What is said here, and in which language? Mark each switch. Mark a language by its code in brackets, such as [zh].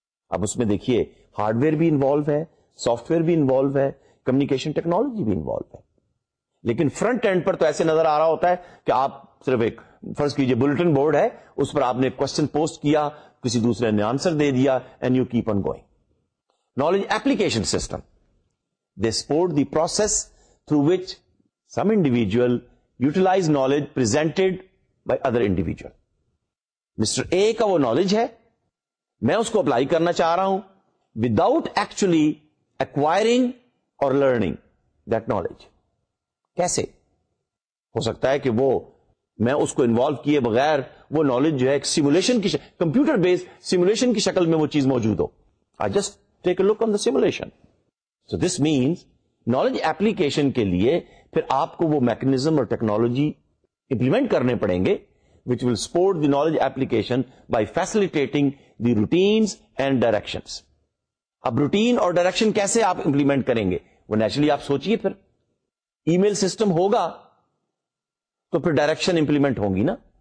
[ur] اب اس میں دیکھیے ہارڈ ویئر بھی انوالو ہے, سافٹ ویئر بھی انوالو ہے, کمیونیکیشن ٹیکنالوجی بھی انوالو ہے, لیکن فرنٹ اینڈ پر تو ایسے نظر آ رہا ہوتا ہے کہ آپ صرف ایک فرض کیجئے بلٹن بورڈ ہے, اس پر آپ نے کوشچن پوسٹ کیا, کسی دوسرے نے آنسر دے دیا, [en] And you keep on going. Knowledge application system they support the process through which some individual utilize knowledge presented by other individual. [ur] Mister A کا وہ نالج ہے, میں اس کو اپلائی کرنا چاہ رہا ہوں [en] Without actually acquiring or learning that knowledge. [ur] کیسے ہو سکتا ہے کہ وہ میں اس کو انوالو کیے بغیر وہ نالج جو ہے ایک سیمولیشن کی کمپیوٹر بیس سیمولیشن کی شکل میں وہ چیز موجود ہو. [en] I just take a look on the simulation. [ur] So this means knowledge application کے لیے پھر آپ کو وہ میکنیزم اور ٹیکنالوجی امپلیمنٹ کرنے پڑیں گے [en] Which will support the knowledge application by facilitating the routines and directions. [ur] اب روٹین اور ڈائریکشن کیسے آپ امپلیمنٹ کریں گے, وہ نیچرلی آپ سوچئے, پھر ای میل سسٹم ہوگا تو پھر ڈائریکشن امپلیمنٹ ہوں گی نا.